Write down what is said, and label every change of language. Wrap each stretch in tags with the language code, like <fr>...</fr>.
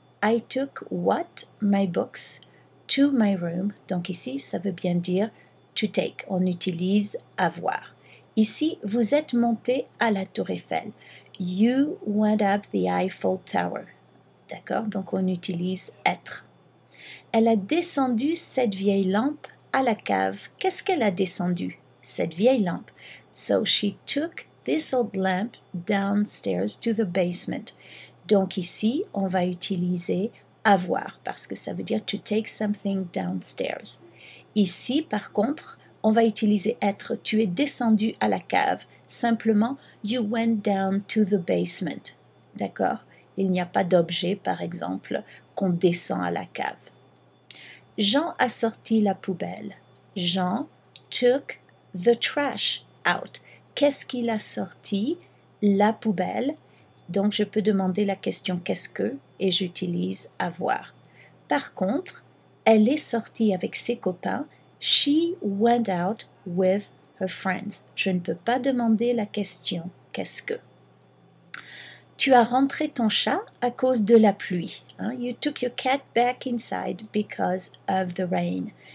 <en>I took what my books to my room.</en> <fr>Donc ici, ça veut bien dire</fr> <en>to take.</en> <fr>On utilise avoir. Ici, vous êtes monté à la Tour Eiffel.</fr> <en>You went up the Eiffel Tower.</en> <fr>D'accord? Donc on utilise être. Elle a descendu cette vieille lampe à la cave. Qu'est-ce qu'elle a descendu, cette vieille lampe?</fr> <en>So she took this old lamp downstairs to the basement.</en> <fr>Donc ici, on va utiliser avoir, parce que ça veut dire</fr> <en>to take something downstairs.</en> <fr>Ici, par contre, on va utiliser être. Tu es descendu à la cave. Simplement,</fr> <en>you went down to the basement.</en> <fr>D'accord? Il n'y a pas d'objet, par exemple, qu'on descend à la cave. Jean a sorti la poubelle.</fr> <en>Jean took the trash out.</en> <fr>Qu'est-ce qu'il a sorti? La poubelle. Donc, je peux demander la question « qu'est-ce que ?» et j'utilise « avoir ». Par contre, elle est sortie avec ses copains.</fr> <en>She went out with her friends.</en> <fr>Je ne peux pas demander la question. Qu'est-ce que? Tu as rentré ton chat à cause de la pluie. Hein?</fr> <en>You took your cat back inside because of the rain.</en>